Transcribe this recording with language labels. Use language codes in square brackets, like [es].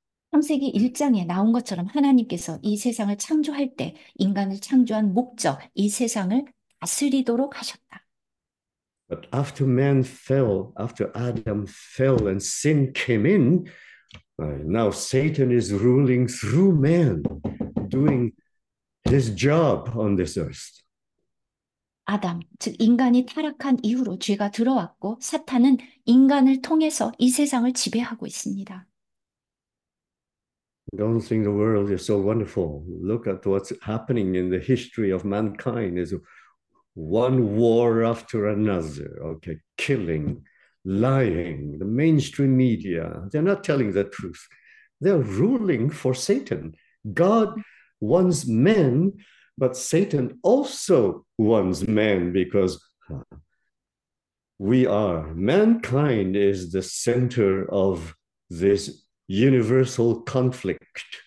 [ko] 창세기 1장에 나온 것처럼 하나님께서 이 세상을 창조할 때 인간을 창조한 목적, 이 세상을 다스리도록 하셨다. [en] But after man fell, after Adam fell and sin came in, now Satan is ruling through man, doing his job on this earth. [ko] 아담, 즉 인간이 타락한 이후로 죄가 들어왔고 사탄은 인간을 통해서 이 세상을 지배하고 있습니다. [en] Don't think the world is so wonderful. Look at what's happening in the history of mankind. There's one war after another, okay, killing. Lying, the mainstream media, they're not telling the truth. They're ruling for Satan. God wants men, but Satan also wants men because we are, mankind is the center of this universal conflict.